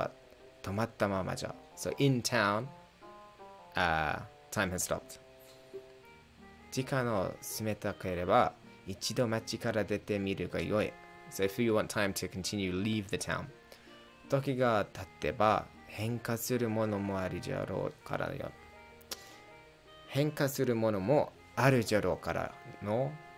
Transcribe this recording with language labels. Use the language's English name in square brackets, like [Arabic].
[Japanese] だが町の中では時の流れは止まったままじゃ. [English] So in town, time has stopped. [Japanese] 時間を進めたければ一度町から出てみるがよい. [English] So if you want time to continue, leave the town. [Japanese] 時が経てば変化するものもあるじゃろうからよ. 変化するものもあるじゃろうからの.